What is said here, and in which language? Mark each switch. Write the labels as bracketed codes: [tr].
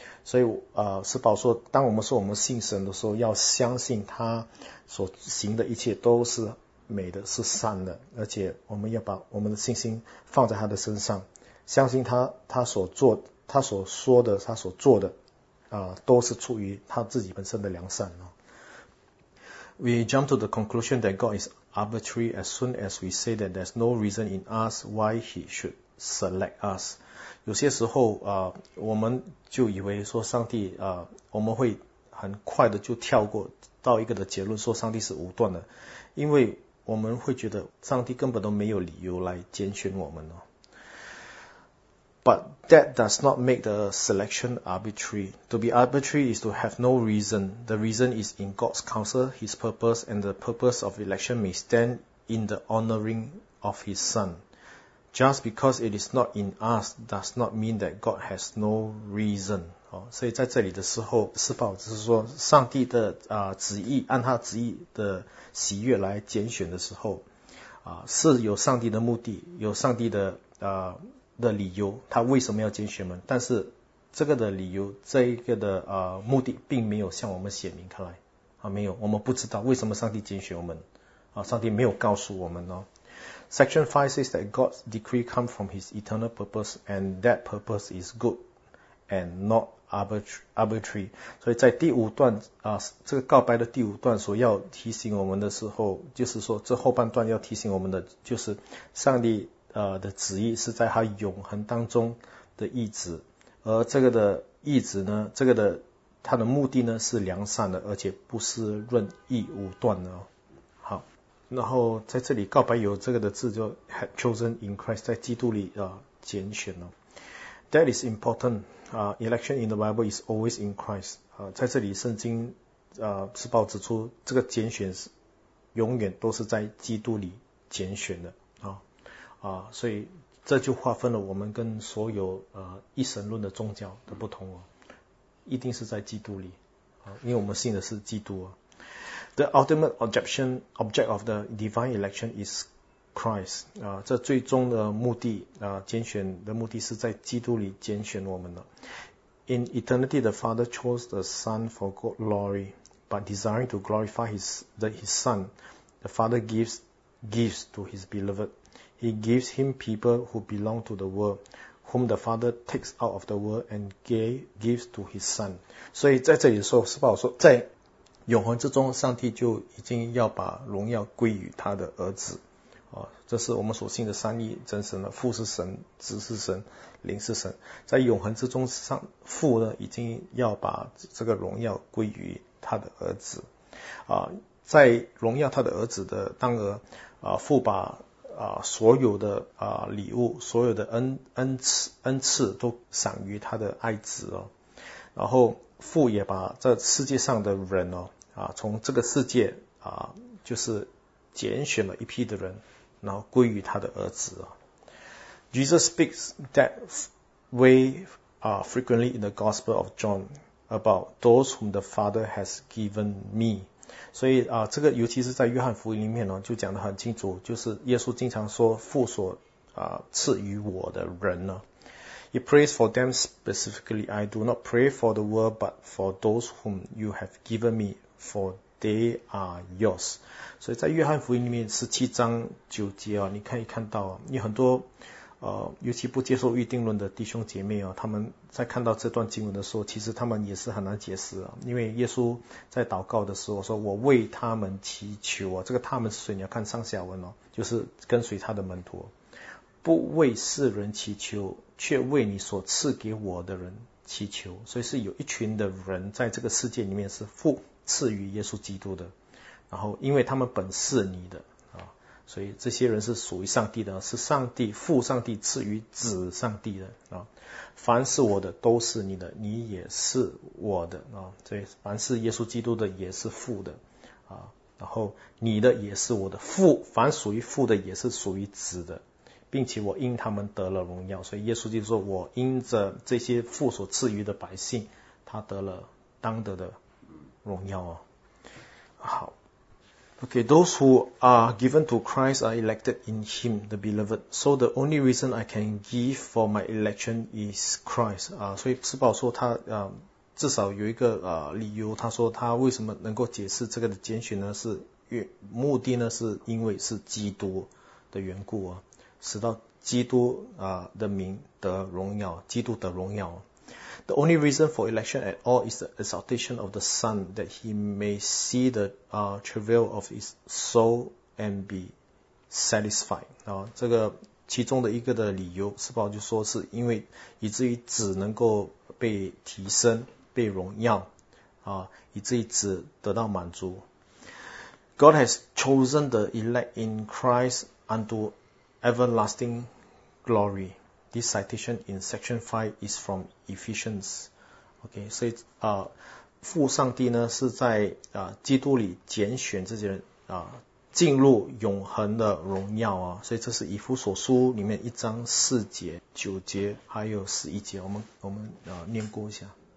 [zh] 所以，施保说，当我们说我们信神的时候，要相信他所行的一切都是美的，是善的，而且我们要把我们的信心放在他的身上，相信他所说的，他所做的，都是出于他自己本身的良善。 [en] We jump to the conclusion that God is arbitrary as soon as we say that there's no reason in us why he should select us. [zh] 有些时候我们就以为说上帝我们会很快的就跳过到一个的结论，说上帝是无端的，因为我们会觉得上帝根本都没有理由来拣选我们哦。 [en] But that does not make the selection arbitrary. To be arbitrary is to have no reason. The reason is in God's counsel, His purpose, and the purpose of election may stand in the honoring of His Son. Just because it is not in us does not mean that God has no reason. [zh] 所以在这里的时候，施保就是说，上帝的旨意，按他旨意的喜悦来拣选的时候，是有上帝的目的，有上帝的理由，他为什么要拣选们，但是这个的理由，这一个的目的并没有向我们显明开来啊，没有，我们不知道为什么上帝拣选我们啊，上帝没有告诉我们哦。 [en] Section 5 says that God's decree comes from his eternal purpose and that purpose is good and not arbitrary. [zh] 所以在第五段这个告白的第五段所要提醒我们的时候，就是说这后半段要提醒我们的，就是上帝的旨意是在他永恒当中的意志，而这个的意志呢，这个的他的目的呢是良善的，而且不是任意武断的。好，然后在这里告白有这个的字就 [en] had chosen in Christ, [zh] 在基督里拣选了。 [en] That is important. Election in the Bible is always in Christ. [zh] 在这里圣经施保指出，这个拣选是永远都是在基督里拣选的。所以这就划分了我们跟所有一神论的宗教的不同哦，一定是在基督里啊，因为我们信的是基督哦。 [en] The ultimate object of the divine election is Christ [zh] 啊，这最终的目的拣选的目的是在基督里拣选我们的。 [en] In eternity, the Father chose the Son for glory, but desiring to glorify his Son, the Father gives to his beloved. He gives him people who belong to the world, whom the Father takes out of the world and gives to his Son. [zh] 所以在这里的时候，施保说，在永恒之中，上帝就已经要把荣耀归于他的儿子。啊，这是我们所信的三一真神了，父是神，子是神，灵是神，在永恒之中上父呢已经要把这个荣耀归于他的儿子啊，在荣耀他的儿子的当儿啊，父把啊所有的啊礼物，所有的恩赐都赏于他的爱子哦，然后父也把这世界上的人哦啊，从这个世界啊就是拣选了一批的人，然后归于他的儿子啊。 [en] Jesus speaks that way frequently in the Gospel of John about those whom the Father has given me。 [zh] 所以啊，这个尤其是在约翰福音里面呢，就讲得很清楚，就是耶稣经常说父所赐予我的人呢。 [en] He prays for them specifically. I do not pray for the world, but for those whom you have given me, for they are yours. [zh] 所以在约翰福音里面17:9啊，你可以看到啊，你很多尤其不接受预定论的弟兄姐妹啊，他们在看到这段经文的时候，其实他们也是很难解释啊，因为耶稣在祷告的时候说：“我为他们祈求啊。”这个他们是谁？你要看上下文哦，就是跟随他的门徒，不为世人祈求，却为你所赐给我的人祈求。所以是有一群的人在这个世界里面是父赐予耶稣基督的，然后因为他们本是你的啊，所以这些人是属于上帝的，是上帝父上帝赐予子上帝的啊。凡是我的都是你的，你也是我的啊。所以凡是耶稣基督的也是父的啊，然后你的也是我的，父凡属于父的也是属于子的，并且我因他们得了荣耀。所以耶稣就说，我因着这些父所赐予的百姓，他得了当得的荣耀啊。 [en] 好 ，Okay, those who are given to Christ are elected in Him, the beloved. So the only reason I can give for my election is Christ. [zh] 啊，所以施宝说他至少有一个理由，他说他为什么能够解释这个的拣选呢？是目的呢，是因为是基督的缘故啊。使到基督的名得荣耀，基督得荣耀。 [en] The only reason for election at all is the exaltation of the Son, that he may see the travail of his soul and be satisfied. [zh] 这个其中的一个的理由，是保就说是因为以至于子能够被提升、被荣耀以至于子得到满足。 [en] God has chosen the elect in Christ unto everlasting glory. This citation in section 5 is from Ephesians. [zh] Okay, 所以父上帝呢是在基督里拣选这些人进入永恒的荣耀啊。所以这是以弗所书里面1:4-9还有11，我们念过一下。